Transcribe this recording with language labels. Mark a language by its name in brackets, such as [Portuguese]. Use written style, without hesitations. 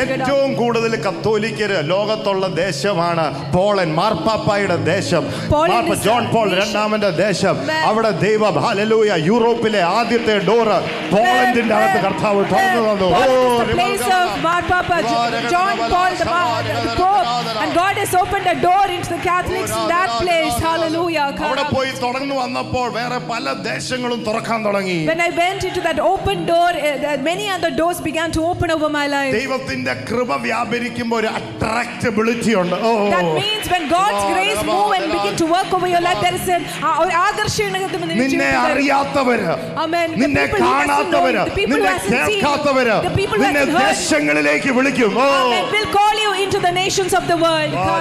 [Malayalam] ഏറ്റവും കൂടുതൽ കത്തോലിക്കര് ലോകത്തുള്ള ദേശമാണ് പോളണ്ട്, മാർപ്പാപ്പായുടെ ദേശം, പാപ്പ ജോൺ പോൾ രണ്ടാമന്റെ ദേശം. അവിടെ ദൈവം ഹല്ലേലൂയ യൂറോപ്പിലെ ആദ്യത്തെ ഡോറ് പോളണ്ടിന്റെ അകത്ത് കർത്താവ് തുറന്നു തന്നു. [English] John Paul the Pope, and God has opened a door into the Catholics in that place. Hallelujah. [Malayalam] അവിടെ പോയി തുറന്നു വന്നപ്പോൾ വേറെ പല ദേശങ്ങളും തുറക്കാൻ തുടങ്ങി. [English] When I went into that open door, many other doors began to open over my life. [Malayalam] ദൈവത്തിന്റെ കൃപ വ്യാപരിക്കുമ്പോൾ ഒരു attractability ഉണ്ട്. [English] That means when God's grace move and begin to work over your life, there is an ആകർഷണീയത. [Malayalam] നിന്നെ അറിയാത്തവര്, നിന്നെ കാണാത്തവര്, നിന്നെ കേൾക്കാത്തവര് നിന്നെ ദേശങ്ങളിലേക്ക് വിളിക്കും. [English] And we'll call you into the nations of the world.